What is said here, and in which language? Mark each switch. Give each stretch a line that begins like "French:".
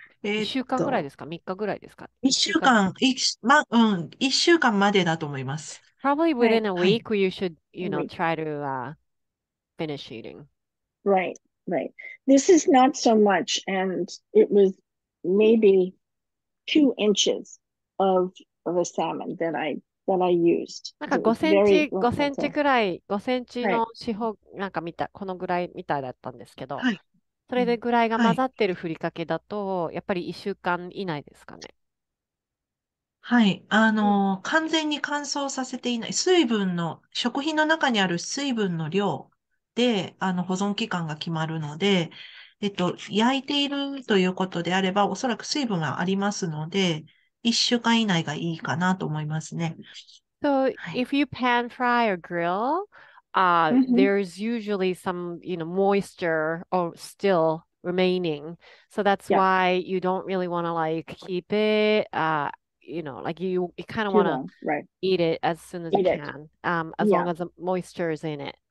Japanese: 1週間ぐらいですか ?3 日ぐらいですか ?1 週間、ま、うん、1週間までだと思います。
English: Probably within a week, you should, you know, try to, finish eating. Right, right. This is not so much, and it was maybe 2 inches of a salmon that I used.
Japanese: なんか5センチ、5センチぐらい、5センチの四方、なんか見た、このぐらいみたいだったんですけど。はい。それでぐらいが混ざってるふりかけだと、はい、やっぱり1週間以内ですかね。はい、完全に乾燥させていない、水分の、食品の中にある水分の量で、保存期間が決まるので、焼いているということであれば、おそらく水分がありますので、1週間以内がいいかなと思いますね。
English: So, if you pan fry or grill,there's usually some, you know, moisture or still remaining. So that's why you don't really want to like keep it, you know, like you kind of want to eat it as soon as you can, as long as the moisture is in it.